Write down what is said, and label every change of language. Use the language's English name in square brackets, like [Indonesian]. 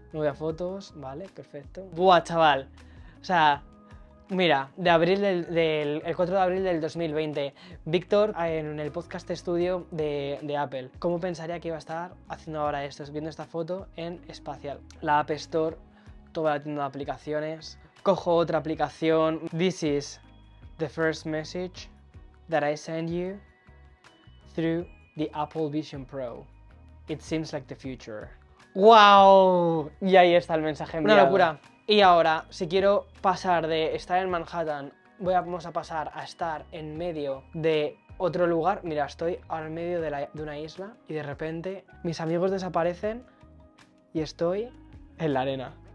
[Spanish] Me voy a fotos, vale, perfecto. ¡Buah, chaval! O sea... Mira, de abril el 4 de abril del 2020, Víctor en el podcast estudio de Apple. ¿Cómo pensaría que iba a estar haciendo ahora esto, viendo esta foto en espacial? La App Store, toda la tienda de aplicaciones. Cojo otra aplicación. [English] This is the first message that I send you through the Apple Vision Pro. It seems like the future. ¡Wow! [Spanish] Y ahí está el mensaje enviado. Una locura. Y ahora, si quiero pasar de estar en Manhattan, vamos a pasar a estar en medio de otro lugar. Mira, estoy al medio de una isla y de repente mis amigos desaparecen y estoy en la arena.